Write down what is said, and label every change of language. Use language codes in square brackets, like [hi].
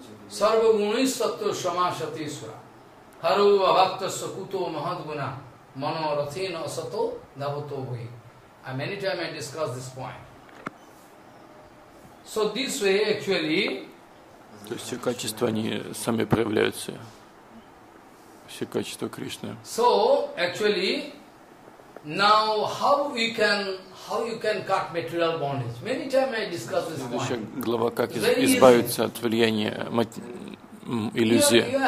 [sa] sarva gunis tatro samasati suraha. Haru bhakta sakuto mahadguna mano rathina asato davato bhi. [en] Many times I discuss this point. So this way actually, [ru] то есть все качества они сами проявляются, все качества Кришны. [en] So actually, now how you can cut material bondage? Many times I discuss this point. [ru] Следующая глава, как избавиться от влияния иллюзии.